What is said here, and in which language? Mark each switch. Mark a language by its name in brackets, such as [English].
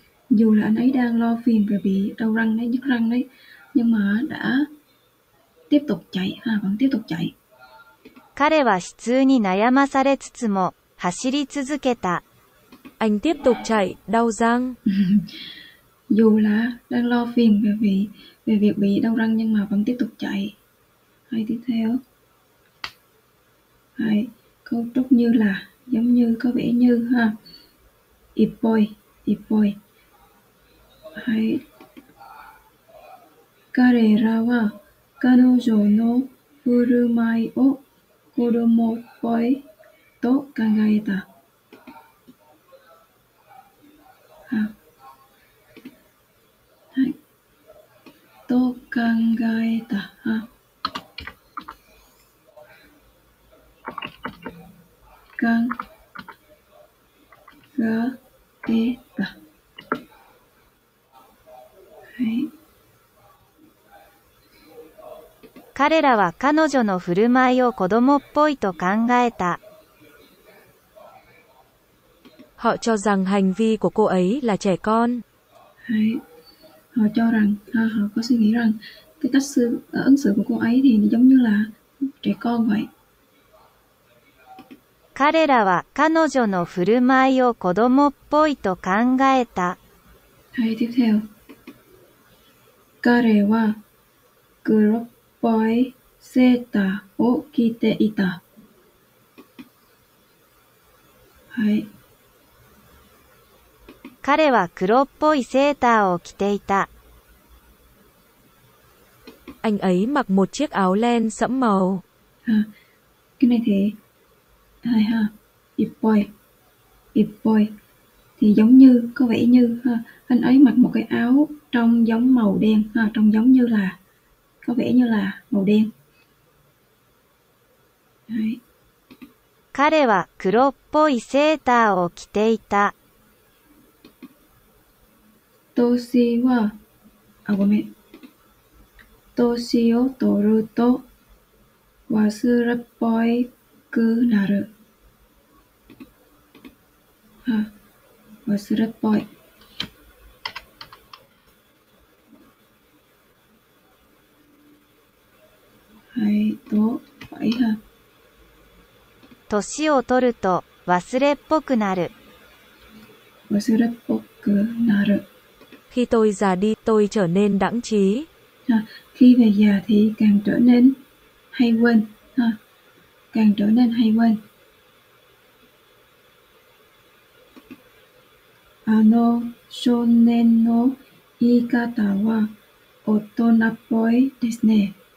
[Vietnamese] Dù là anh ấy đang lo phiền và bị đau răng đấy, nhức răng đấy, nhưng mà đã tiếp tục chạy, vẫn tiếp tục chạy. [Japanese] 彼は頭痛に悩まされつつも走り続けた。 [Vietnamese] Anh tiếp tục chạy, đau răng. Dù là đang lo phiền về việc bị đau răng nhưng mà vẫn tiếp tục chạy. Hay tiếp theo. Hay, cấu trúc như là, giống như, có vẻ như, ha. [Japanese] Ippoi. Hay. Kare ra wa. 彼女の振る舞いを子供っぽいと考えた。はい。と考えた。はい。考えた。はい。彼らは彼女の振る舞いを子供っぽいと考えた。 [Vietnamese] Họ cho rằng hành vi của cô ấy là trẻ con. [Japanese] Hay. [Vietnamese] Họ cho rằng, họ có suy nghĩ rằng cái cách ứng xử của cô ấy thì giống như là trẻ con vậy. [Japanese] 彼らは彼女の振る舞いを子供っぽいと考えた。 [Vietnamese] Hay, tiếp theo. [Japanese] 彼はグロッboy セーターを着ていた。はい。彼は黒っぽいセーターを着ていた。 [Vietnamese] Anh ấy mặc một chiếc áo len sẫm màu. Cái này thì hai ha. Ippoi. Ippoi. Thì giống như, có vẻ như ha, anh ấy mặc một cái áo trông giống màu đen ha, trông giống như là, có vẻ như là màu đen. Đấy. [Japanese] 彼は黒っぽいセーターを着ていた。歳は、あ、ごめん。歳を取ると忘れっぽいくなる。あ、忘れっぽい。はい、と、はい、は。歳を取ると忘れっぽくなる。忘れっぽくなる。 [Vietnamese] Khi tôi già đi, tôi trở nên đãng trí. À, khi về già thì càng trở nên hay quên. À, càng trở nên hay quên. [Japanese] Ano shonen no iikata wa otona ppoi desu ne.